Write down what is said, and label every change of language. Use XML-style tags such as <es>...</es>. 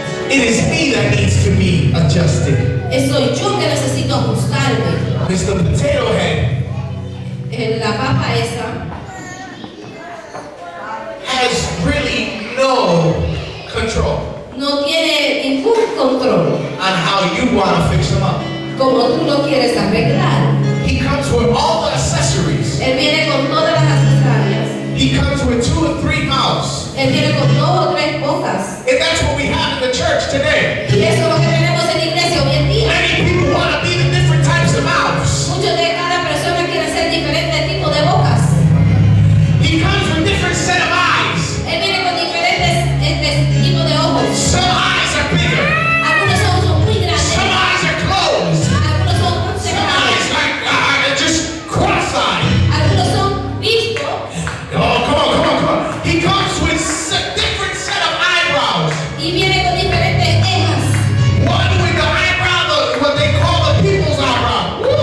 <en>It is me that needs to be adjusted.</en> <es>Es soy yo que necesito ajustarme.</es> <en>Mr. Potato Head.</en> <es>En la papa esa.</es> <en>Has really no control.</en> <es>No tiene ningún control.</es> <en>On how you want to fix them up.</en> <es>Como tú lo quieres arreglar.</es> <en>He comes with all the accessories.</en> <es>Él viene con todas las accesorias.</es> <en>He comes with two or three mouths.</en> <es>Él viene con dos o tres bocas.</es> <en>And that's what we have in the church today.</en> <es>Y eso es lo que tenemos en la iglesia hoy en día.</es> <en>Many people want to be the different types of mouths.</en> <es>Muchos de cada persona quiere ser diferente tipo de bocas.</es> <en>He comes with different set of eyes.</en> <es>Él viene con diferentes tipo de ojos.</es> <en>Some eyes are bigger.</en> <es>Algunos ojos son muy grandes.</es> <en>Some eyes are closed.</en> <es>Algunos ojos son cerrados.</es> <en>Some eyes are just cross-eyed.</en> <es>Algunos son vistos.</es> <en>Oh, come on, come on, come on. He comes with a different set of eyebrows.</en> <es>Y viene con diferentes cejas.</es> <en>One with the eyebrow, what they call the people's eyebrow.</en>